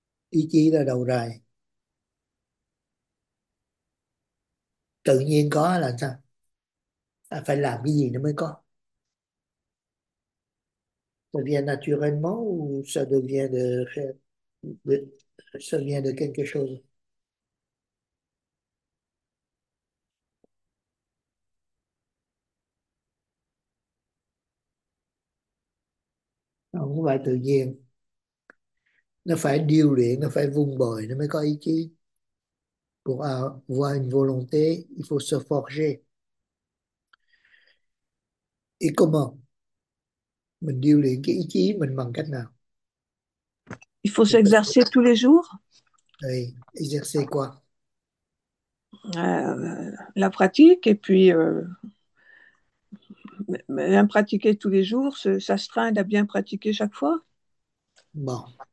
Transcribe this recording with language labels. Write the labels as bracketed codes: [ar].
[vi] Ý chí là đầu rồi, tự nhiên có là sao? À, phải làm cái gì nó mới có? [fr] Devient naturellement ou ça vient de quelque chose? [vi] Không phải tự nhiên. Nó phải điêu luyện, nó phải vun bồi, nó mới có ý chí. [fr] Pour avoir une volonté, il faut se forger. Et comment? [vi] Mình điêu luyện cái ý chí mình bằng cách nào? [fr] Il faut Oui, s'exercer tous les jours. exercer quoi? La pratique, et puis bien pratiquer tous les jours, ça s'astreindre à bien pratiquer chaque fois. Bon.